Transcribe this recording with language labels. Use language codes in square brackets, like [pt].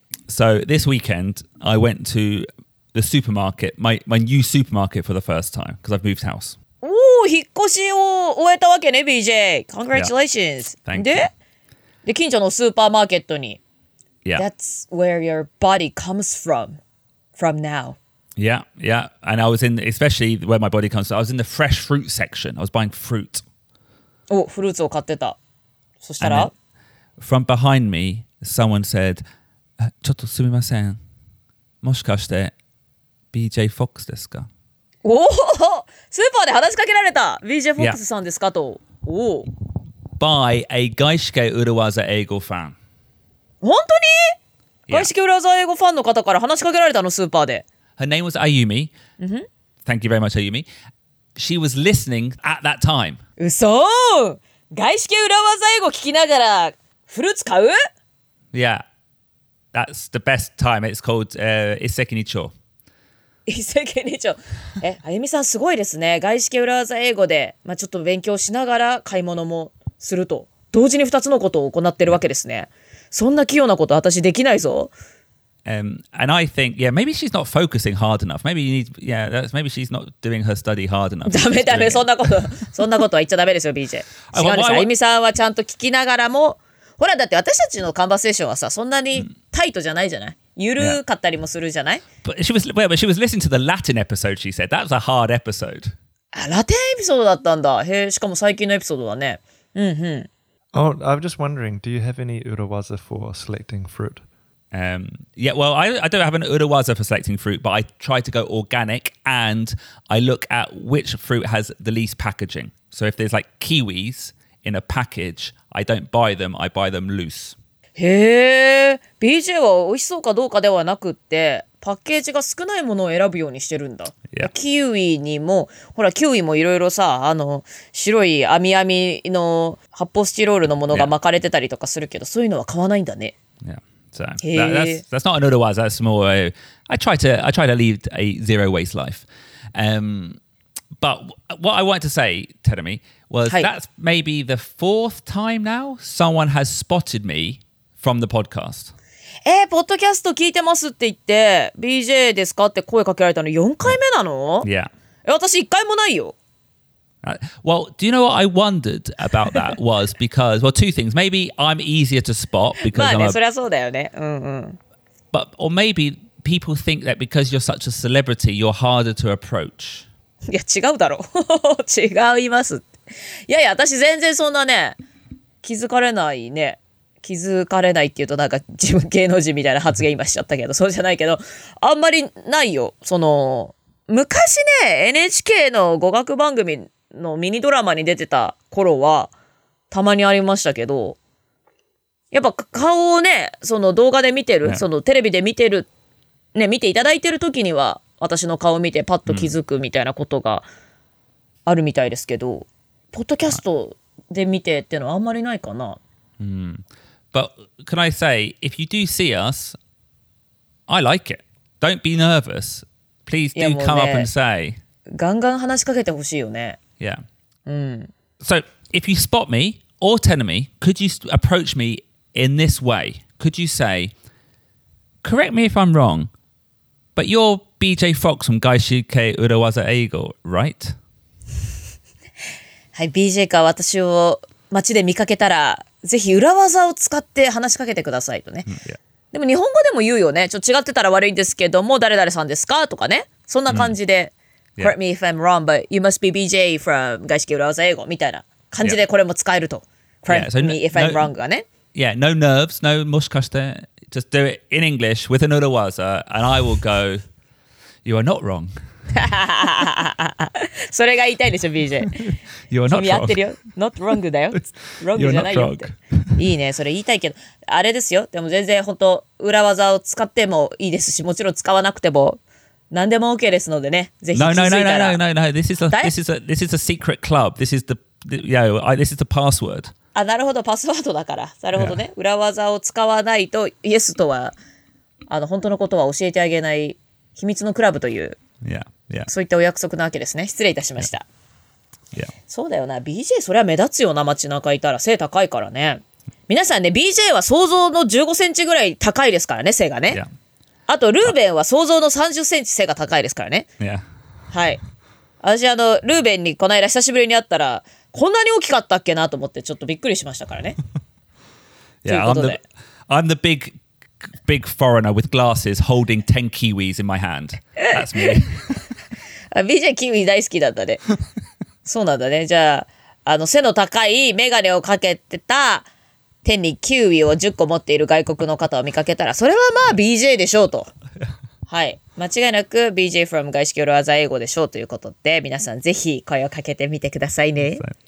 [en] So, this weekend, I went to the supermarket, my new supermarket for the first time, because I've moved house. [ja] おお、引っ越しを終えたわけね、BJ。 [en] Congratulations!、 Yeah. Thank [ja] で, [en] you. [ja] で、近所のスーパーマーケットに。 [en] Yeah. That's where your body comes from now. Yeah, yeah. And I was in, especially where my body comes from, I was in the fresh fruit section. I was buying fruit. [ja] お、フルーツを買ってた。そしたら [en] And then, from behind me, someone said, [ja] ちょっとすみません。もしかして、BJ Fox ですか? おお、スーパーで話しかけられた BJ Fox さんですか、 [en] yeah. [ja] とおお。 [en] By a 外資系裏技英語ファン。 [ja] 本当に、 [en] yeah. [ja] 外資系裏技英語ファンの方から話しかけられたの、スーパーで。 [en] Her name was Ayumi.、 Mm-hmm. Thank you very much, Ayumi. She was listening at that time. [ja] 嘘、外資系裏技英語聞きながらフルーツ買う [en] ？Yeah, that's the best time. It's called Issekinicho. [ja] 一石二鳥。え、あゆみさんすごいですね。外資系裏技英語で、まあ、ちょっと勉強しながら買い物もすると、同時に二つのことを行ってるわけですね。そんな器用なこと私できないぞ。 [en] And I think, yeah, maybe she's not focusing hard enough. Maybe you need, yeah, that's, maybe she's not doing her study hard enough. [ja] ダメダメ、そんなこと、そんなことは言っちゃダメですよ、BJ。違うんです。あゆみさんはちゃんと聞きながらも、ほら、だって私たちのカンバセーションはさ、そんなにタイトじゃないじゃない。ゆるかったりもするじゃない、 [en] yeah. But she was, well, but she was listening to the Latin episode, she said. That was a hard episode. [ja] あ、ラテンエピソードだったんだ。へえ、しかも最近のエピソードだね。うんうん。 [en] Oh, I'm just wondering, do you have any urawaza for selecting fruit? Yeah, well, I don't have an urawaza for selecting fruit, but I try to go organic and I look at which fruit has the least packaging. So if there's like kiwis in a package, I don't buy them, I buy them loose. [ja] へえ、BJ は美味しそうかどうかではなくって、パッケージが少ないものを選ぶようにしてるんだ。 [en] Yeah. [ja] キウイにも、ほら、キウイもいろいろさ、あの、白い網網の発泡スチロールのものが巻かれてたりとかするけど、 [en] yeah. [ja] そういうのは買わないんだね。 [en] Yeah. So, that's not another word. That's more, I try to lead a zero waste life. But what I wanted to say, Teremi, was、 [ja] はい、 [en] that's maybe the fourth time now someone has spotted me. From the podcast. [ja] ポッドキャスト聞いてますって言って、BJ ですかって声かけられたの4回目なの？ [en] Yeah. [ja] 私1回もないよ。 [en] Well, do you know what I wondered about that was because, well, two things. Maybe I'm easier to spot because [ja] まあね、それはそうだよね。うんうん。 [en] But, or maybe people think that because you're such a celebrity, you're harder to approach. [ja] いや、違うだろ。違いますって。いやいや、私全然そんなね、気づかれないね。気づかれないっていうとなんか自分芸能人みたいな発言今しちゃったけどそうじゃないけどあんまりないよその昔ね NHK の語学番組のミニドラマに出てた頃はたまにありましたけどやっぱ顔をねその動画で見てる、 [en] yeah. [ja] そのテレビで見てるね見ていただいてる時には私の顔を見てパッと気づくみたいなことがあるみたいですけど、 [en] mm. [ja] ポッドキャストで見てっていうのはあんまりないかな。 Mm. [en] But can I say, if you do see us, I like it. Don't be nervous. Please do come、 [ja] ね、 [en] up and say. [ja] ガンガン話しかけてほしいよね。 [en] Yeah.、 [ja] うん、 [en] so if you spot me or Tenemi, could you approach me in this way? Could you say, correct me if I'm wrong, but you're BJ Fox from 外資系裏技英語, right? [ja] はい、BJ か私を街で見かけたら、ぜひ裏技を使って話しかけてくださいとね、 [en] yeah. [ja] でも日本語でも言うよねちょっと違ってたら悪いんですけども誰々さんですかとかねそんな感じで、 [en] mm. yeah. Correct me if I'm wrong but you must be BJ from 外資系裏技英語 [ja] みたいな感じでこれも使えると、 [en] yeah. Correct、yeah. so、me if I'm no, wrong [ja] がね [en] Yeah, no nerves, no [ja] もしかして [en] Just do it in English with an 裏技 And I will go You are not wrong [ja] それが言いたいでしょ、BJ。 [en] You are not wrong. Not wrong [ja] だよ。Wrong じゃないよって。いいね、それ言いたいけど。あれですよ、でも全然本当、裏技を使ってもいいですし、もちろん使わなくても、何でも OK ですのでね、ぜひ気づいたら。 [en] No, this is a secret club. This is the, yeah, this is the password. [ja] あ、なるほど、パスワードだから。なるほどね。 [en] Yeah. [ja] 裏技を使わないと、イエスとは、あの、本当のことは教えてあげない秘密のクラブという、 [en] yeah. Yeah. [ja] そういったお約束なわけですね。失礼いたしました。 [en] Yeah. Yeah. [ja] そうだよな。 BJ、それは目立つよな、街中いたら。背高いからね。皆さんね、BJ は想像の15センチぐらい高いですからね、背がね。 [en] Yeah. [ja] あと、ルーベンは想像の30センチ背が高いですからね。 [en] Yeah. [ja] はい。私、あの、ルーベンにこの間久しぶりに会ったら、こんなに大きかったっけなと思ってちょっとびっくりしましたからね。 [en] yeah, I'm the big, big foreigner with glasses holding 10 kiwis in my hand. That's me. [ja] BJ キウイ大好きだったね。そうなんだね。じゃあ、あの背の高いメガネをかけてた手にキウイを10個持っている外国の方を見かけたら、それはまあ BJ でしょうと。はい、間違いなく BJ from 外資系裏技英語でしょうということで、皆さんぜひ声をかけてみてくださいね。